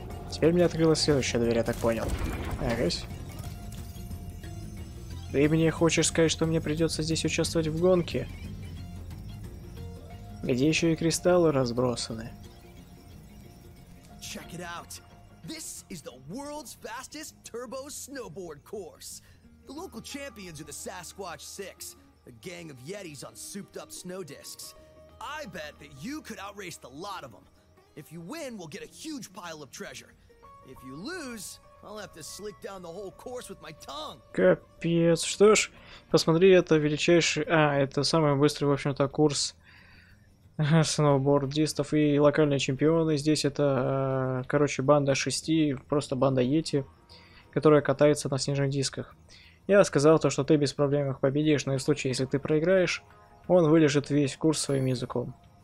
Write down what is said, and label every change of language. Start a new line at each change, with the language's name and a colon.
Russian: Теперь мне открылась следующая дверь, я так понял. Агась. Ты мне хочешь сказать, что мне придется здесь участвовать в гонке? Где еще и кристаллы разбросаны?
English: Check it out. This is the world's fastest turbo snowboard course. The local champions are the Sasquatch Six, a gang of yetis on souped-up snow discs. I bet that you could outrace the lot of them. If you win, we'll get a huge pile of treasure. If you lose, I'll have to slick down the whole course with my tongue.
Russian: Капец. Что ж, посмотри, это величайший... А, это самый быстрый, в общем-то, курс сноубордистов. И локальные чемпионы здесь. Это, короче, банда 6, просто банда йети, которая катается на снежных дисках. Я сказал то, что ты без проблем их победишь, но и в случае, если ты проиграешь, он вылежит весь курс своим языком.